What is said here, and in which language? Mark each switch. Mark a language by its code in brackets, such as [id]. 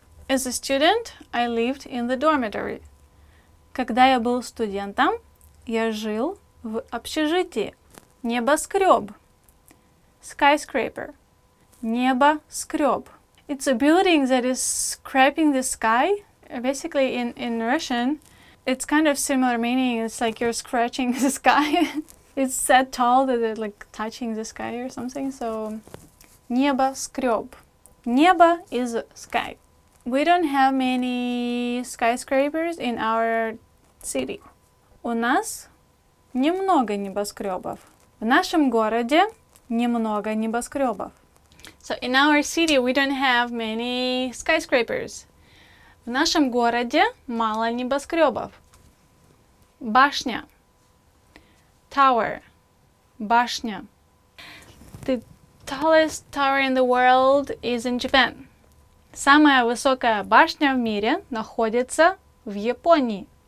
[en] As a student, I lived in the dormitory. [ru] Когда я был студентом, я жил в общежитии. Небоскреб. [en] Skyscraper. [ru] Небоскреб. [en] It's a building that is scraping the sky. Basically, in Russian, it's kind of similar meaning. It's like you're scratching the sky. It's that tall that it's like touching the sky or something. So, небоскреб. Небо is sky. We don't have many skyscrapers in our city. [ru] У нас немного небоскребов. В нашем городе немного небоскребов. [en] So in our city we don't have many skyscrapers. [ru] В нашем городе мало небоскребов. Башня. [en] Tower. [ru] Башня. [en] The tallest tower in the world is in Japan. [ru] Самая высокая башня в мире находится в Японии.